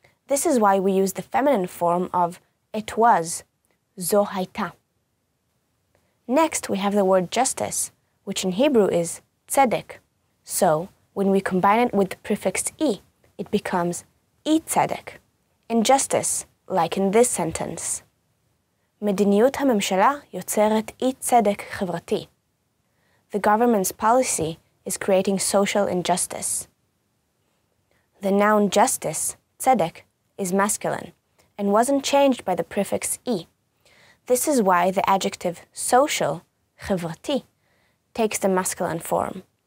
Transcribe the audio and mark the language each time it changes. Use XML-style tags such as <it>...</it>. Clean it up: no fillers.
<en>This is why we use the feminine form of it was,</en> <he>zo hayta.</he> <en>Next, we have the word justice, which in Hebrew is tzedek. So, when we combine it with the prefix e, it becomes e-tzedek, injustice, like in this sentence.</en> <he>מדיניות הממשלה יוצרת אי-צדק חברתי.</he> <en>The government's policy is creating social injustice. The noun justice, tzedek, is masculine and wasn't changed by the prefix e. This is why the adjective social, חברתי, takes the masculine form.</en>